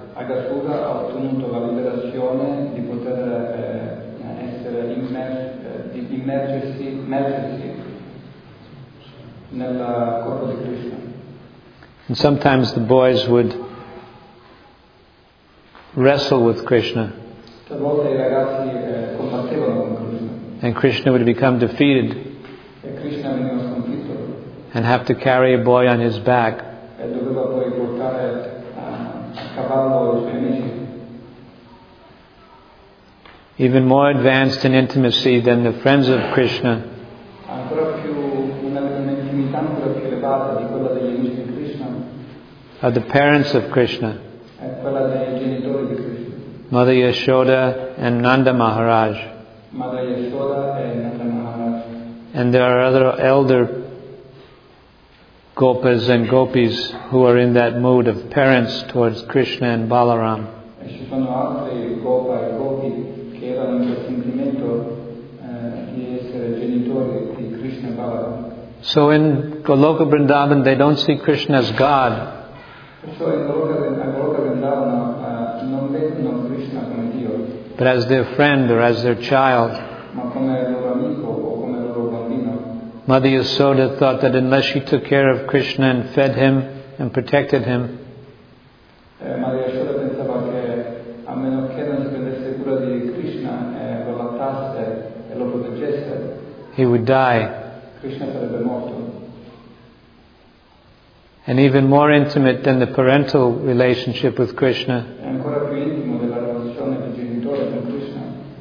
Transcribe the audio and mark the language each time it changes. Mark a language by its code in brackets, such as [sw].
[it] Agasura ha ottenuto la liberazione di poter essere immersi nel corpo di Krishna. [en] And sometimes the boys would wrestle with Krishna. [it] Talvolta i ragazzi combattevano con Krishna. [en] And Krishna would become defeated. [it] E Krishna veniva sconfitto. [en] And have to carry a boy on his back. [it] E doveva poi portare a cavallo i suoi amici. [en] Even more advanced in intimacy than the friends of Krishna. [it] Ancora più un'intimità ancora più elevata di quella degli amici di Krishna. [en] Are the parents of Krishna. [it] È quella dei genitori di Krishna. [en] Mother Yashoda and Nanda Maharaj. Mother Yashoda and Nanda Maharaj. And there are other elder gopas and gopis who are in that mood of parents towards Krishna and Balaram. [it] Ci sono altri gopa e gopi che erano in quel sentimento di essere genitori di Krishna e Balaram. [en] So in Goloka Vrindavan they don't see Krishna as God. So in [it] Goloka Vrindavan non vedono Krishna come Dio. [en] But as their friend or as their child. [it] Ma come loro amico o come loro bambino. [en] Mother Yashoda thought that unless she took care of Krishna and fed him and protected him, [it] Mother Yashoda pensava che a meno che non si prendesse cura di Krishna e lo lattasse e lo proteggesse, [en] he would die. [it] Krishna sarebbe morto. [en] And even more intimate than the parental relationship with Krishna, [it] ancora più intimo della relazione di genitore con Krishna,